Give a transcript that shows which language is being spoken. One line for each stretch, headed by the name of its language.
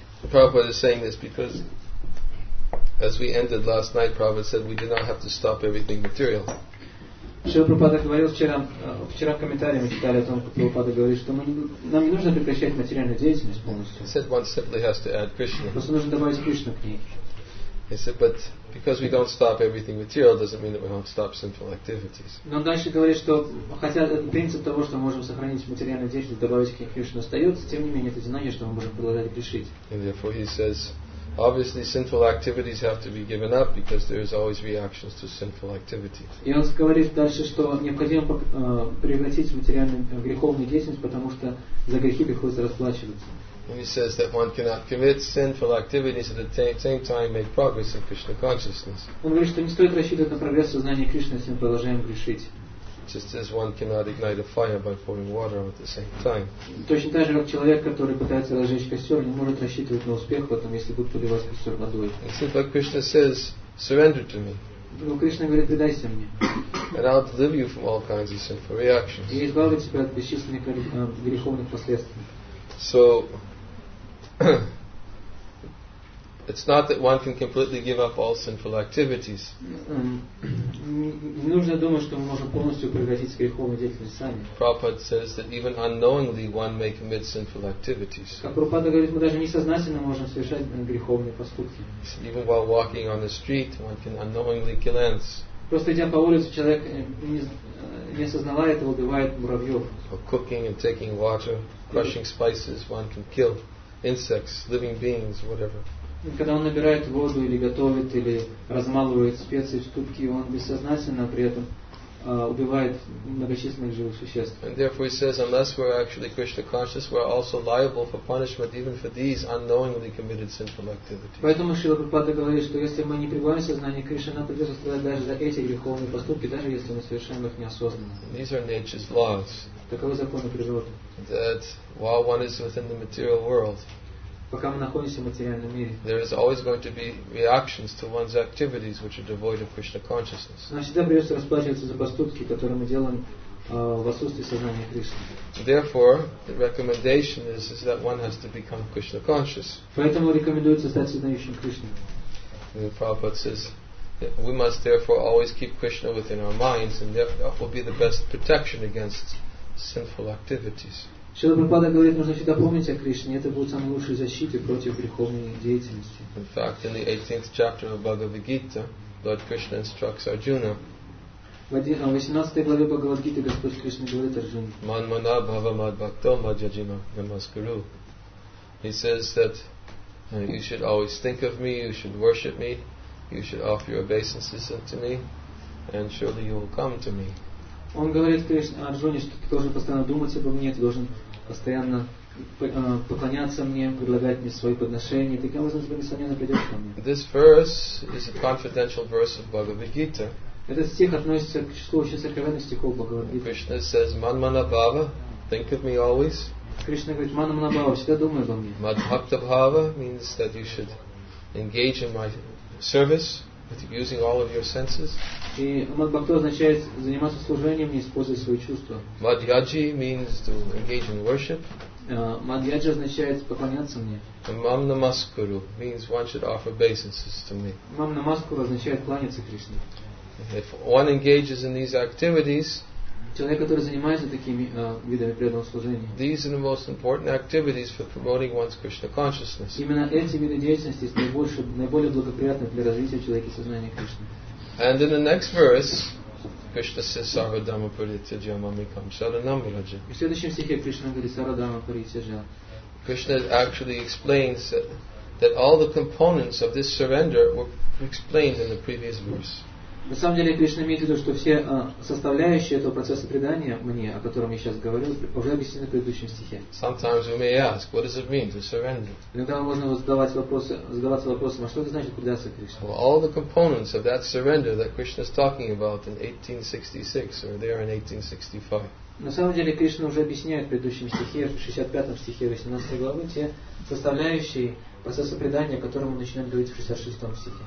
English: Prabhupada is saying this because, as we ended last night, Prabhupada said we did not have to stop everything material.
Russian: Шрила Прабхупада говорил вчера в комментариях, мы читали о том, как Прабхупада говорит, что нам не нужно прекращать материальную деятельность полностью.
English: He said one simply has to add Krishna.
Russian: Просто нужно добавить Кришну к ней.
English: He said, but because we don't stop everything material doesn't mean that we won't stop sinful activities.
Russian: Но он дальше говорит, что хотя принцип того, что мы можем сохранить материальную деятельность, добавить к ней Кришну, остается, тем не менее, это знание, что мы можем продолжать решить.
English: And therefore he says, obviously, sinful activities have to be given up because there is always reactions to sinful activities.
Russian: И он говорит дальше, что необходимо прекратить материальную греховную деятельность, потому что за грехи приходится расплачиваться.
English: And he says that one cannot commit sinful activities at the same time make progress in Krishna consciousness.
Russian: Он говорит, что не стоит рассчитывать на прогресс в сознании Кришны, если мы продолжаем грешить.
English: Just as one cannot ignite a fire by pouring water at the same time.
Russian: Точно так же, как человек, который пытается разжечь костер, не может рассчитывать на успех в этом, если будет поливать костер водой.
English: Except like Krishna says, surrender to me.
Russian: Но Кришна говорит, предайся мне.
English: And I'll deliver you from all kinds of sinful reactions.
Russian: И избавлю тебя от бесчисленных греховных последствий.
English: So, it's not that one can completely give up all sinful activities.
Russian: Не нужно думать, что мы можем полностью прекратить греховную деятельность сами.
English: Prabhupada says that even unknowingly one may commit sinful activities.
Russian: Как Прабхупада говорит, мы даже несознательно можем совершать греховные поступки.
English: Even while walking on the street, one can unknowingly kill ants.
Russian: Просто идя по улице, человек не осознавая этого, убивает муравьев.
English: Or cooking and taking water, crushing spices, one can kill insects, living beings, whatever.
Russian: Когда он набирает воду или готовит или размалывает специи в ступке, он бессознательно при этом убивает многочисленных живых существ.
English: And therefore he says, unless we're actually Krishna conscious, we're also liable for punishment even for these unknowingly committed sinful activities.
Russian: Поэтому Шрила Прабхупада говорит, что если мы не прибавим сознание Кришне, нам придется страдать даже за эти греховные поступки, даже если мы совершаем их неосознанно.
English: And these are nature's laws.
Russian: Таковы законы природы.
English: That while one is within the material world,
Russian: пока мы находимся в материальном мире,
English: there is always going to be reactions to one's activities which are devoid of Krishna consciousness.
Russian: Нам всегда придется расплачиваться за поступки, которые мы делаем в отсутствии сознания Кришны.
English: Therefore, the recommendation is that one has to become Krishna conscious.
Russian: Поэтому рекомендуется стать сознающим Кришны.
English: The Prabhupada says, we must therefore always keep Krishna within our minds, and that will be the best protection against sinful activities.
Russian: Шрила Прабхупада говорит, нужно всегда помнить о Кришне, это будет самой лучшей защитой против греховной деятельности.
English: In fact, in the 18th chapter of Bhagavad Gita, Lord Krishna instructs Arjuna.
Russian: В 18 главе Бхагавад Гиты Господь Кришна говорит Арджуне.
Sanskrit: Man mana bhava mad bhakto majajima namaskuru.
English: He says that you should always think of me, you should worship me, you should offer your obeisances unto me, and surely you will come to me.
Russian: Он говорит Арджуне, что ты должен постоянно думать обо мне, ты должен постоянно поклоняться мне, предлагать мне свои подношения. Таким образом, ты несомненно придешь ко мне.
English: This verse is a confidential verse of Bhagavad Gita.
Russian: Этот стих относится к числу очень сокровенных стихов Бхагавад Гиты.
English: Krishna says,
Sanskrit: man mana bhava,
English: think of me always.
Russian: Кришна говорит,
Sanskrit: man mana bhava,
Russian: всегда думай обо мне.
Sanskrit: Mad bhakta bhava
English: means that you should engage in my service with using all of your senses.
Russian: И мадбхакто означает заниматься служением и использовать свои чувства.
English: Мадьяджи means to engage in worship.
Russian: Мадьяджи означает поклоняться мне.
English: Мамнамаскуру means one should offer obeisances to me.
Russian: Мамнамаскуру означает кланяться Кришне.
English: If one engages in these activities,
Russian: человек, который занимается такими видами преданного служения,
English: these are the most important activities for promoting one's Krishna consciousness.
Russian: Именно эти виды деятельности наиболее благоприятны для развития человека сознания Кришны.
English: And in the next verse, Krishna says,
Sanskrit: Sarvadhamma paritya jamamikam saranam vraja.
Russian: В следующем стихе Кришна говорит,
Sanskrit: Sarvadhamma paritya jam.
English: Krishna actually explains that all the components of this surrender were explained in the previous verse.
Russian: На самом деле Кришна имеет в виду, что все составляющие этого процесса предания мне, о котором я сейчас говорил, уже объяснены в предыдущем стихе.
English: Sometimes we may ask, what does it mean to surrender?
Russian: Иногда можно задаваться вопросом, а что это значит предаться Кришне?
English: Well, all the components of that surrender that Krishna is talking about in 1866 or there in 1865.
Russian: На самом деле Кришна уже объясняет в предыдущем стихе, в 65 стихе 18 главы, те составляющие процесса предания, о котором он начинает говорить в 66 стихе.